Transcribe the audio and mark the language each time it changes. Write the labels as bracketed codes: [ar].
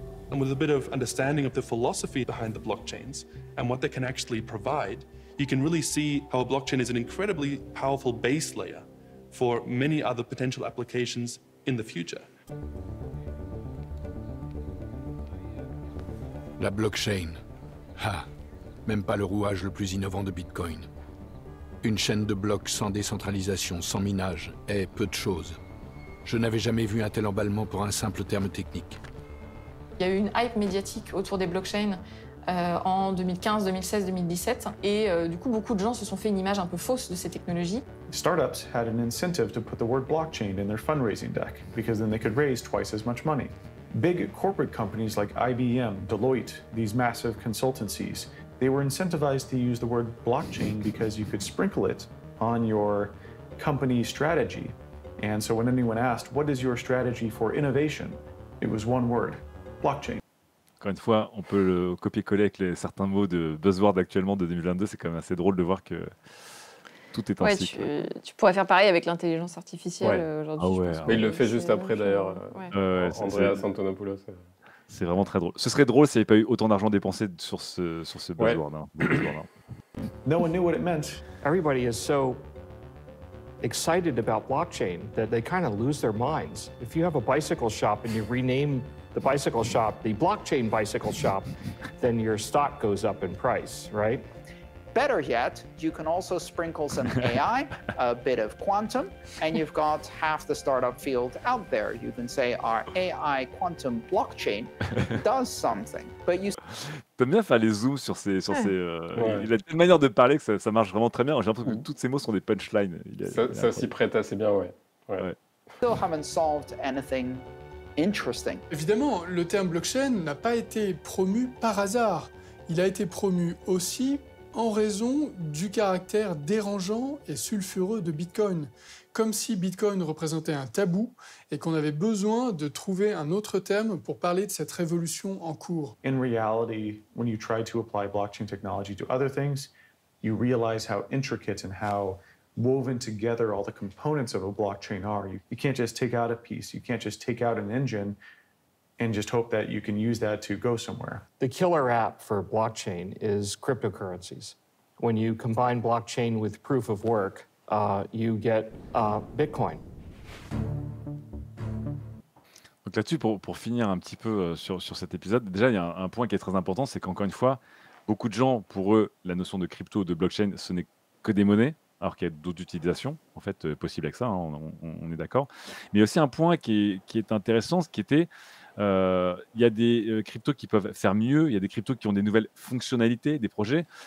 [en] And with a bit of understanding of the philosophy behind the blockchains and what they can actually provide, you can really see how a blockchain is an incredibly powerful base layer for many other potential applications in the future. [fr] La blockchain, même pas le rouage le plus innovant de Bitcoin. Une chaîne de blocs sans décentralisation, sans minage, est peu de choses. Je n'avais jamais vu un tel emballement pour un simple terme technique. Il y a eu une hype médiatique autour des blockchains en 2015, 2016, 2017. Et du coup, beaucoup de gens se sont fait une image un peu fausse de ces technologies. [en] Startups had an incentive to put the word blockchain in their fundraising deck because then they could raise twice as much money. Big corporate companies like IBM, Deloitte, these massive consultancies, they were incentivized to use the word blockchain because you could sprinkle it on your company strategy. And so when anyone asked, what is your strategy for innovation? It was one word, blockchain. [fr] Encore une fois, on peut le copier-coller avec les, certains mots de buzzword actuellement de 2022. C'est quand même assez drôle de voir que tout est ainsi. Ouais, tu pourrais faire pareil avec l'intelligence artificielle aujourd'hui. Ah ouais, il le fait juste après d'ailleurs, Andreas Antonopoulos. C'est vraiment très drôle. Ce serait drôle s'il n'y avait pas eu autant d'argent dépensé sur ce buzzword. [en] No one knew what it meant. Everybody is so excited about blockchain that they kind of lose their minds. If you have a bicycle shop and you rename the bicycle shop, the blockchain bicycle shop, then your stock goes up in price, right? Better yet, you can also sprinkle some AI, a bit of quantum, and you've got half the startup field out there. You can say our AI quantum blockchain does something. But you. [fr] T'aimes bien faire les zooms sur ces. Sur ces Il a une manière de parler que ça marche vraiment très bien. J'ai l'impression que tous ces mots sont des punchlines. Ça s'y prête assez bien, ouais. [en] Still haven't solved anything. Interesting. [fr] Évidemment, le terme blockchain n'a pas été promu par hasard. Il a été promu aussi en raison du caractère dérangeant et sulfureux de Bitcoin. Comme si Bitcoin représentait un tabou et qu'on avait besoin de trouver un autre terme pour parler de cette révolution en cours. [en] In reality, when you try to apply blockchain technology to other things, you realize how intricate and how woven together all the components of a blockchain are. You can't just take out a piece, you can't just take out an engine and just hope that you can use that to go somewhere. The killer app for blockchain is cryptocurrencies. When you combine blockchain with proof of work, you get Bitcoin. [fr] Donc là-dessus, pour finir un petit peu sur cet épisode, déjà il y a un point qui est très important, c'est qu'encore une fois, beaucoup de gens, pour eux, la notion de crypto, de blockchain, ce n'est que des monnaies. Alors qu'il y a d'autres utilisations, en fait, possibles avec ça, hein, on est d'accord. Mais il y a aussi un point qui est intéressant, ce qui était, il y a des cryptos qui peuvent faire mieux, il y a des cryptos qui ont des nouvelles fonctionnalités, des projets.